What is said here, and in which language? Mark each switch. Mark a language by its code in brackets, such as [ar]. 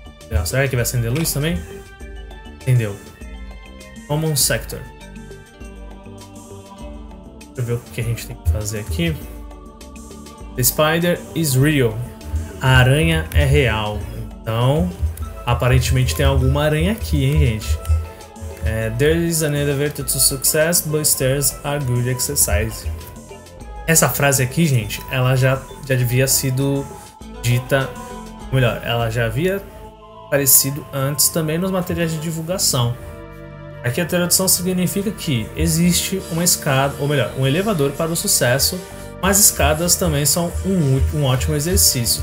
[pt] Não, será que vai acender luz também? Acendeu. Common Sector. Deixa eu ver o que a gente tem que fazer aqui. [en] The Spider is real. [pt] A aranha é real. Então, aparentemente tem alguma aranha aqui, hein, gente? [en] There is an elevator to success, but stairs are good exercise. [pt] Essa frase aqui, gente, ela já havia sido dita. Melhor, ela já havia aparecido antes também nos materiais de divulgação. Aqui a tradução significa que existe uma escada, ou melhor, um elevador para o sucesso, mas escadas também são um ótimo exercício.